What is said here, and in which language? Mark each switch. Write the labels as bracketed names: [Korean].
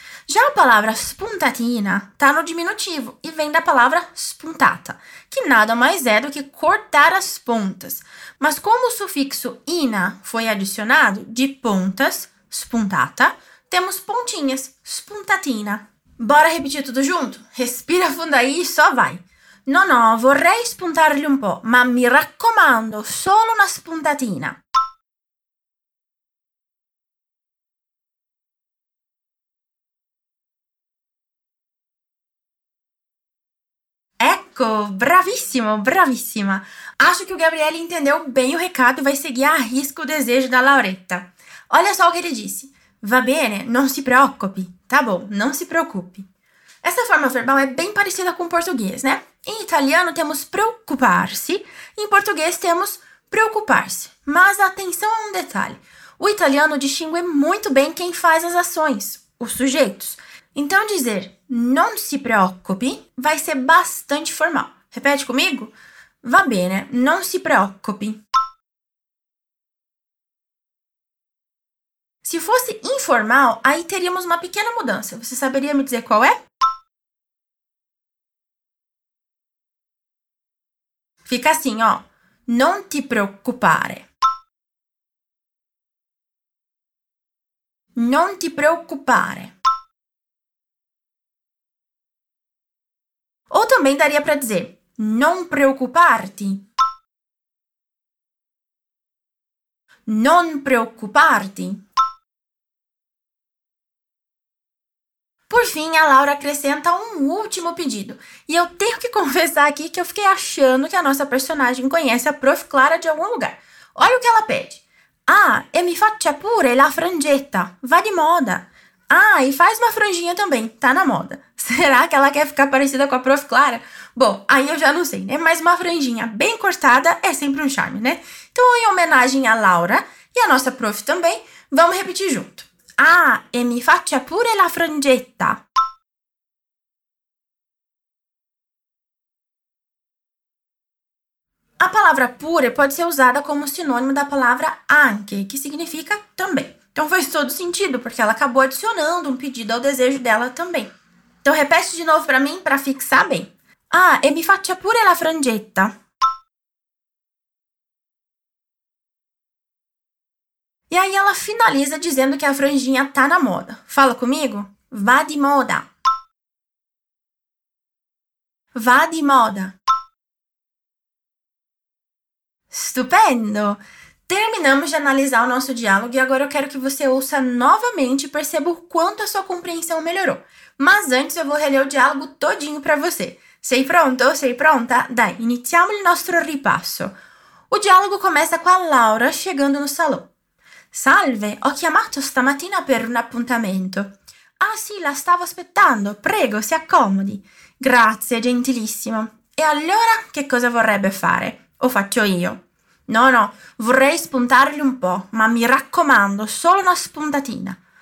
[Portuguese] Já a palavra spuntatina está no diminutivo e vem da palavra spuntata, que nada mais é do que cortar as pontas. Mas como o sufixo ina foi adicionado, de pontas, spuntata, temos pontinhas, spuntatina. Bora repetir tudo junto? Respira fundo aí e só vai. [Italian] No, no, vorrei spuntarli un po', ma mi raccomando, solo una spuntatina. Ecco. Ecco, bravissimo, bravissima. [Portuguese] Acho que o Gabriel entendeu bem o recado e vai seguir a risca o desejo da Lauretta. Olha só o que ele disse. [Italian] Va bene, non si preoccupi. [Portuguese] Tá bom, não se preocupe. Essa forma verbal é bem parecida com o português, né? Em italiano temos preocupar-se, em português temos preocupar-se. Mas atenção a um detalhe. O italiano distingue muito bem quem faz as ações, os sujeitos. Então dizer [Italian] non si preoccupi [Portuguese] vai ser bastante formal. Repete comigo? [Italian] Va bene, non si preoccupi. [Portuguese] Se fosse informal, aí teríamos uma pequena mudança. Você saberia me dizer qual é? Fica assim, ó. [Italian] Non ti preoccupare. Non ti preoccupare. [Portuguese] Ou também daria para dizer [Italian] non preoccuparti. Non preoccuparti. [Portuguese] Por fim, a Laura acrescenta um último pedido. E eu tenho que confessar aqui que eu fiquei achando que a nossa personagem conhece a Prof. Clara de algum lugar. Olha o que ela pede. [Italian] Ah, e mi faccia pure la frangetta. Va di moda. [Portuguese] Ah, e faz uma franjinha também. Tá na moda. Será que ela quer ficar parecida com a Prof. Clara? Bom, aí eu já não sei, né? Mas uma franjinha bem cortada é sempre um charme, né? Então, em homenagem à Laura e à nossa Prof. também, vamos repetir junto. [Italian] Ah, e mi faccia pure la frangetta. [Portuguese] A palavra pure pode ser usada como sinônimo da palavra anche, que significa também. Então faz todo sentido, porque ela acabou adicionando um pedido ao desejo dela também. Então repete de novo para mim, para fixar bem. [Italian] Ah, e mi faccia pure la frangetta. [Portuguese] E aí ela finaliza dizendo que a franjinha tá na moda. Fala comigo. [Italian] Va di moda. Va di moda. Stupendo! [Portuguese] Terminamos de analisar o nosso diálogo e agora eu quero que você ouça novamente e perceba o quanto a sua compreensão melhorou. Mas antes eu vou reler o diálogo todinho pra você. [Italian] Sei pronto? Sei pronta? Dai, iniziamo il nostro ripasso. [Portuguese] O diálogo começa com a Laura chegando no salão. [Italian] Salve, ho chiamato stamattina per un appuntamento. Ah sì, la stavo aspettando. Prego, si accomodi. Grazie, gentilissimo. E allora, che cosa vorrebbe fare? O faccio io? No, no, vorrei spuntargli un po', ma mi raccomando, solo una spuntatina.